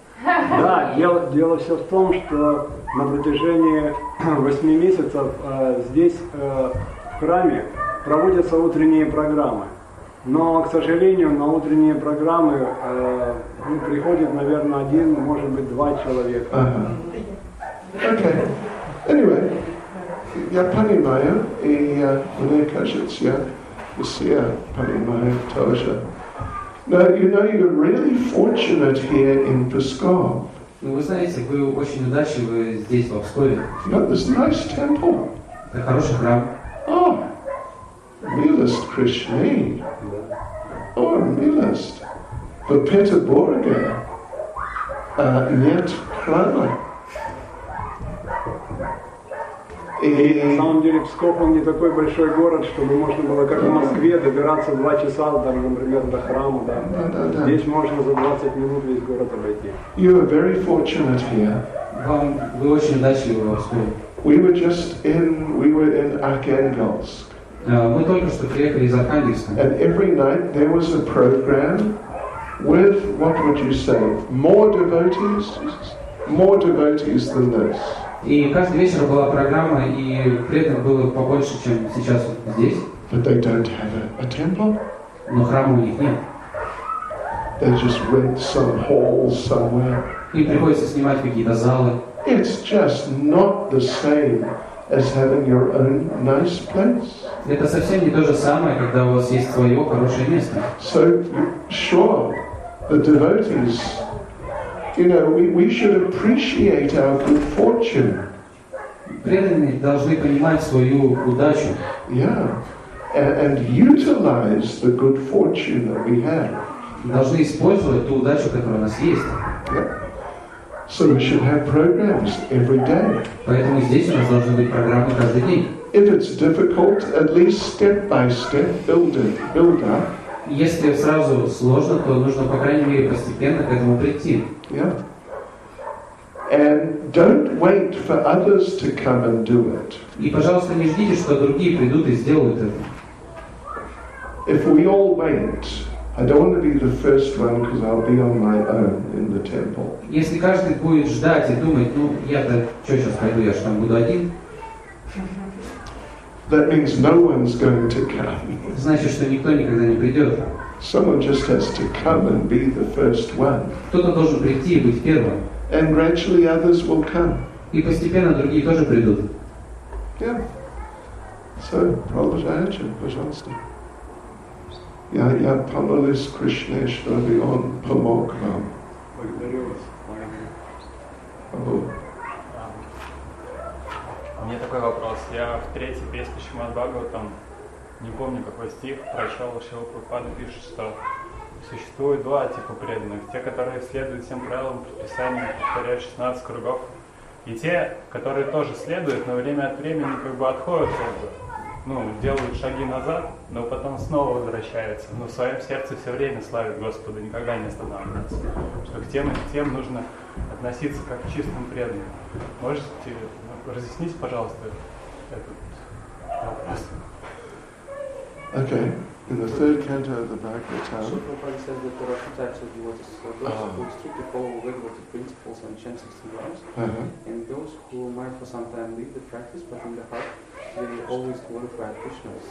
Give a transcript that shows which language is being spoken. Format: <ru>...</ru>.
<ru>Да, дело все в том, что на протяжении 8 месяцев здесь, в храме, проводятся утренние программы, но, к сожалению, на утренние программы приходит, наверное, 1, может быть, 2 человека.</ru> <en>Okay.</en> <ru>Anyway, я понимаю, и мне кажется, все понимают тоже.</ru> <en>Now, you know, you're really fortunate here in Pskov.</en> <ru>Ну, вы знаете, вы очень удачливы здесь, во Пскове.</ru> <en>You've got this nice temple.</en> <ru>Это хороший храм. Oh. Милост Кришне. Oh, милост. В Петербурге нет храма. И... На самом деле, Псков, он не такой большой город, чтобы можно было, как в Москве, добираться 2 часа, там, например, до храма. Да? Да. Здесь можно за 20 минут весь город обойти.</ru> <en>You are very fortunate here.</en> <ru>Вы очень удачливы в Пскове.</ru> <en>We were in Arkhangelsk.</en> <ru>Мы только что приехали из Архангельска.</ru> <en>And every night there was a program with, what would you say, more devotees than this.</en> <ru>И каждый вечер была программа, и преданных было побольше, чем сейчас здесь.</ru> <en>But they don't have a temple.</en> <ru>Но храма у них нет.</ru> <en>They just rent some halls somewhere.</en> <ru>Им приходится снимать какие-то залы.</ru> <en>It's just not the same as having your own nice place.</en> <ru>Это совсем не то же самое, когда у вас есть свое хорошее место.</ru> <en>So, sure, the devotees, you know, we should appreciate our good fortune.</en> <ru>Преданные должны понимать свою удачу.</ru> <en>Yeah, and utilize the good fortune that we have.</en> <ru>Должны использовать ту удачу, которая у нас есть.</ru> <en>Yeah. So we should have programs every day.</en> <ru>Поэтому здесь у нас должны быть программы каждый день.</ru> <en>If it's difficult, at least step by step, build up.</en> <ru>Если сразу сложно, то нужно по крайней мере постепенно к этому прийти.</ru> <en>Yeah. And don't wait for others to come and do it.</en> <ru>И пожалуйста, не ждите, что другие придут и сделают это.</ru> <en>If we all wait, I don't want to be the first one because I'll be on my own in the temple.</en> <ru>Если каждый будет ждать и думать, ну я-то что сейчас пойду, я же там буду один.</ru> <en>That means no one's going to come.</en> <ru>Значит, что никто никогда не придет.</ru> <en>Someone just has to come and be the first one.</en> <ru>Кто-то должен прийти и быть первым.</ru> <en>And gradually others will come.</en> <ru>И постепенно другие тоже придут.</ru> <en>Yeah. So, Prabhupada,</en> <ru>пожалуйста. Я помолюсь Кришне, чтобы он помог вам. Благодарю вас. У меня такой вопрос. Я в третьей песне Шримад-Бхагаватам, не помню какой стих, прочел, Шрила Прабхупада пишет, что существует два типа преданных. Те, которые следуют всем правилам, предписаниям, повторяют 16 кругов. И те, которые тоже следуют, но время от времени как бы отходят, как бы, ну, делают шаги назад, но потом снова возвращаются. Но в своем сердце все время славят Господа, никогда не останавливаются. Что к тем и к тем нужно относиться как к чистым преданным. Можете, ну, разъяснить, пожалуйста, этот вопрос?</ru> <en>Okay. In the third canto of the Bhagavatam, Prabhupada says that there are two types of devotees. So those who stick to follow the Vedic principles and chant 16 rounds, and those who might for some time leave the practice, but in the heart, they always glorify Krishna.</en>